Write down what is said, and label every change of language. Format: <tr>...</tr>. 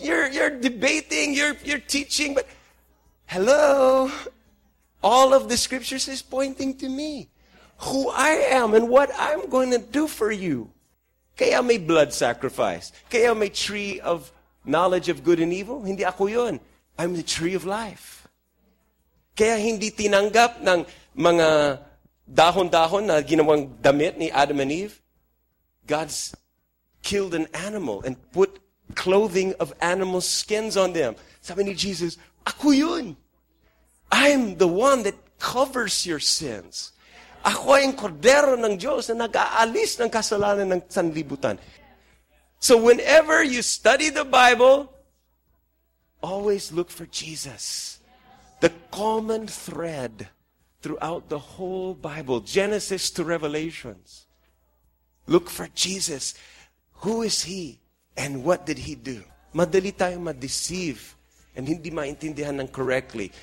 <en>You're debating. You're teaching. But hello, all of the Scriptures is pointing to me. Who I am and what I'm going to do for you.</en> <tl>Kaya may</tl> <en>blood sacrifice.</en> <tl>Kaya may tree of knowledge of good and evil. Hindi ako yun.</tl> <en>I'm the tree of life.</en> <tl>Kaya hindi tinanggap ng mga dahon-dahon na ginawang damit ni Adam and Eve.</tl> <en>God's killed an animal and put clothing of animal skins on them.</en> <tl>Sabi ni Jesus, ako yun.</tl> <en>I'm the one that covers your sins.</en> <tl>Ako ay ang kordero ng Diyos na nag-aalis ng kasalanan ng sanlibutan.</tl> <en>So whenever you study the Bible, always look for Jesus. The common thread throughout the whole Bible, Genesis to Revelations. Look for Jesus. Who is he and what did he do?</en> <tl>Madali tayo ma-deceive and hindi maintindihan ng correctly.</tl>